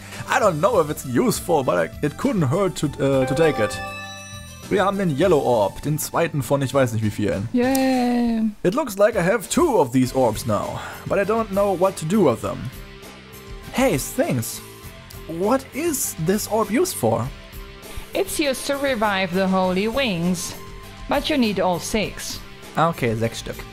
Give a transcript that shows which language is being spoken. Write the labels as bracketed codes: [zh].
[en] I don't know if it's useful, but it couldn't hurt to take it. [de] Wir haben den Yellow Orb, den zweiten von ich weiß nicht wie vielen. [en] Yeah. It looks like I have 2 of these orbs now, but I don't know what to do with them. Hey, Sphinx, what is this orb used for? It's used to revive the Holy Wings, but you need all 6. [de] Okay, 6 Stück.